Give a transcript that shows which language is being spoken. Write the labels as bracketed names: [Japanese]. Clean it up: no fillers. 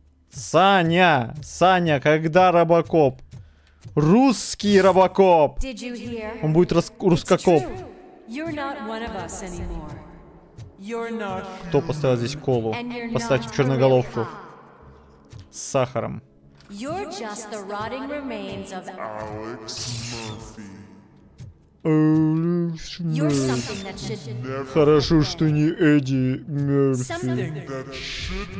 [Russian] Саня! Саня, когда робокоп? Русский робокоп! Он будет рускокоп. Кто поставил здесь колу? Поставьте черноголовку. С сахаром. [English] You're just the rotting remains of Alex Murphy. Alex Murphy. [Russian] Хорошо, что не Эдди Мерфи.